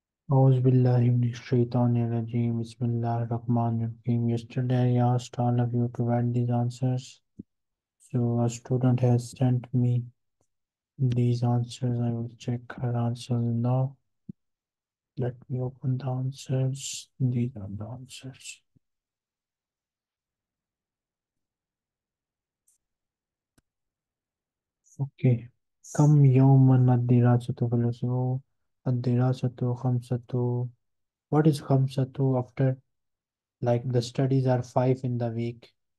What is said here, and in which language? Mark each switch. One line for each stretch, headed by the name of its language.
Arabic: أعوذ بالله من الشيطان الرجيم. بسم الله الرحمن الرحيم.
English: Yesterday I asked all of you to write these answers. So a student has sent me these answers. I will check her answers now. Let me open the answers. These are the answers. Okay.
Arabic: كم يوما الدراسة في الأسبوع؟ الدراسة خمسة.
English: What is خمسة after like the studies are five in the week?